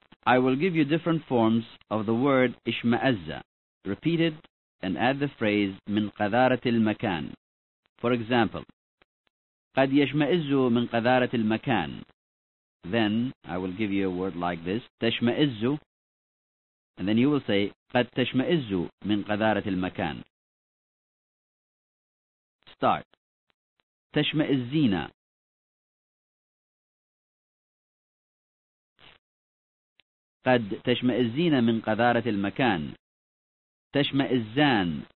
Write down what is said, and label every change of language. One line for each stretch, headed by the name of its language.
English: I will give you different forms of the word اشمئز. Repeat it and add the phrase
Arabic: من قذارة المكان.
English: For example,
Arabic: قد يشمئز من قذارة المكان.
English: Then I will give you a word like this, تشمئز. And then you will say
Arabic: قد تشمئز من قذارة المكان.
English: start.
Arabic: تشمئزينا. قد تشمئزين من قذارة المكان. تشمئزان.